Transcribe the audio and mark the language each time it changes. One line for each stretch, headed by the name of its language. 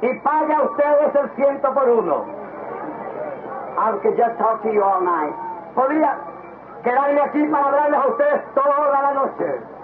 Spanish: Y pague a ustedes el ciento por uno.
English: I could just talk to you all night.
Spanish: Podría quedarme aquí para hablarles a ustedes toda la noche.